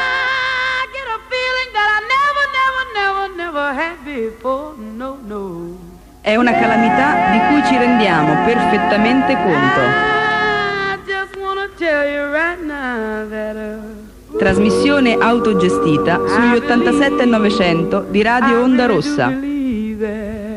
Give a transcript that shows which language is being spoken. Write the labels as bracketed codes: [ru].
[en] I get a feeling that I never had before, no. [it] È una calamità di cui ci rendiamo perfettamente conto. [en] I just wanna tell you right now that [it] trasmissione autogestita sugli 87.900 di Radio Onda Rossa.